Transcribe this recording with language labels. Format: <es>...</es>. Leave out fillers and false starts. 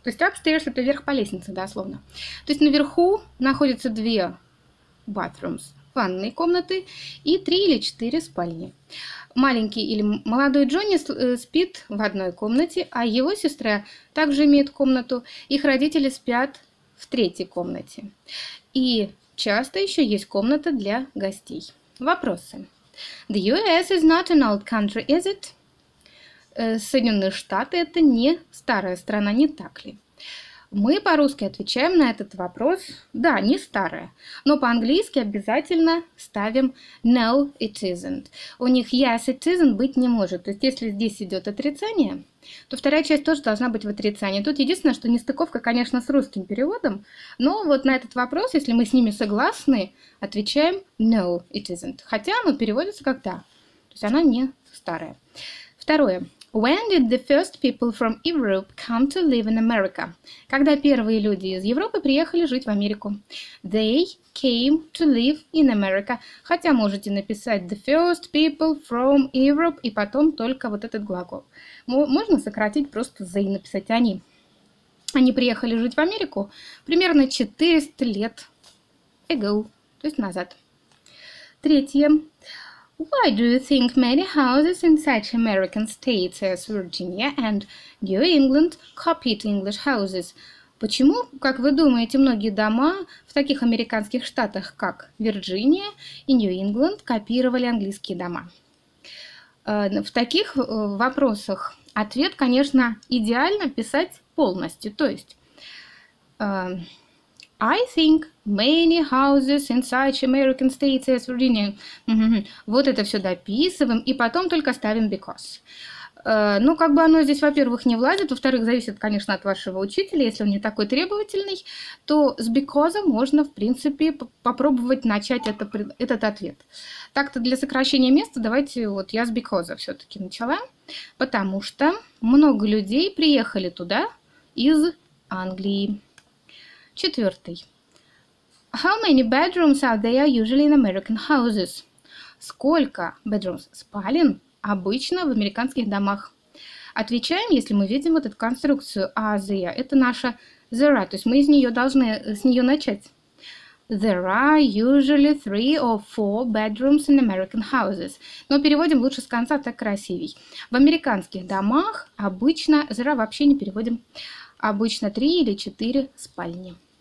<ru>То есть upstairs – это вверх по лестнице, дословно. То есть наверху находятся две bathrooms, ванные комнаты, и три или четыре спальни. Маленький или молодой Джонни спит в одной комнате, а его сестра также имеет комнату. Их родители спят в третьей комнате. И часто еще есть комната для гостей. Вопросы.</ru> <en>The US is not an old country, is it?</en> <ru>Соединенные Штаты – это не старая страна, не так ли? Мы по-русски отвечаем на этот вопрос «да, не старая», но по-английски обязательно ставим</ru> <en>«no, it isn't».</en> <ru>У них</ru> <en>«yes, it isn't»</en> <ru>быть не может. То есть, если здесь идет отрицание, то вторая часть тоже должна быть в отрицании. Тут единственное, что нестыковка, конечно, с русским переводом, но вот на этот вопрос, если мы с ними согласны, отвечаем</ru> <en>«no, it isn't».</en> <ru>Хотя оно переводится как «да», то есть она не старая. Второе.</ru> <en>When did the first people from Europe come to live in America?</en> <ru>Когда первые люди из Европы приехали жить в Америку?</ru> <en>They came to live in America.</en> <ru>Хотя можете написать</ru> <en>the first people from Europe</en> <ru>и потом только вот этот глагол. Можно сократить просто за и написать они. Они приехали жить в Америку примерно 400 лет ago, то есть назад. Третье.</ru> <en>Why do you think many houses in such American states as Virginia and New England copied English houses?</en> <ru>Почему, как вы думаете, многие дома в таких американских штатах, как Вирджиния и Нью-Ингланд, копировали английские дома? В таких вопросах ответ, конечно, идеально писать полностью. То есть...</ru> <en>I think many houses in such American states as Virginia.</en> <ru>Вот это все дописываем и потом только ставим</ru> <en>because.</en> <ru>Ну, как бы оно здесь, во-первых, не влазит, во-вторых, зависит, конечно, от вашего учителя. Если он не такой требовательный, то с because можно, в принципе, попробовать начать этот ответ. Так-то для сокращения места давайте вот я с because все-таки начала, потому что много людей приехали туда из Англии. Четвертый.</ru> <en>How many bedrooms are there usually in American houses?</en> <ru>Сколько bedrooms, спален, обычно в американских домах? Отвечаем, если мы видим эту конструкцию are there. Это наша there, то есть мы с нее начать.</ru> <en>There are usually three or four bedrooms in American houses.</en> <ru>Но переводим лучше с конца, так красивей. В американских домах обычно, there вообще не переводим, обычно три или четыре спальни.</ru>